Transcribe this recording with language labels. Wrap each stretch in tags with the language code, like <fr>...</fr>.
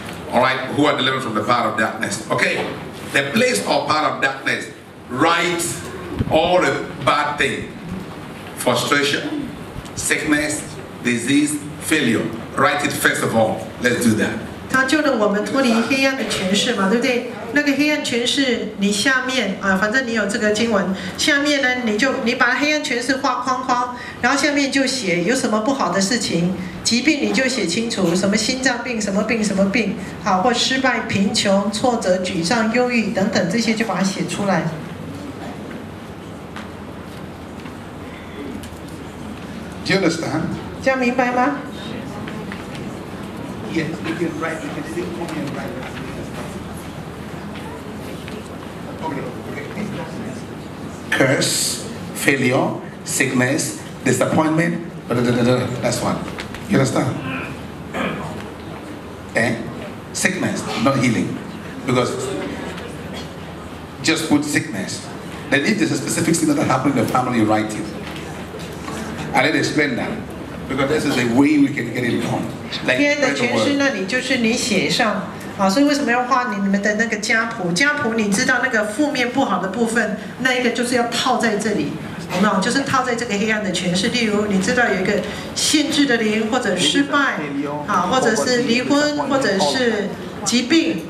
<en>All right, who are delivered from the power of darkness? Okay, the place or power of darkness, right? All the bad things, frustration, sickness, disease, failure. Write it first of all. Let's do that.</en> <zh>他救了我们脱离黑暗的权势嘛，对不对？那个黑暗权势，你下面啊，反正你有这个经文。下面呢，你把黑暗权势画框框，然后下面就写有什么不好的事情，疾病你就写清楚，什么心脏病、什么病、什么病，好或失败、贫穷、挫折、沮丧、忧郁等等，这些就把它写出来。</zh> <en>Do you understand?</en> <zh>这样明白吗？</zh> <en>Yes, you can write. You can sit for me and write. Okay. Curse, failure, sickness, disappointment. That's one. You understand? Eh? Sickness, not healing. Because just put sickness. Then if there's a specific thing that happened in the family, write it. I let it explain that because this is a way we can get it done.</en> <zh>Like, 黑暗的权势那里就是你写上啊，所以为什么要画你们的那个家谱？家谱你知道那个负面不好的部分，那一个就是要套在这里，有没有？就是套在这个黑暗的权势。例如，你知道有一个限制的灵，或者失败，啊，或者是离婚，或者是疾病。</zh>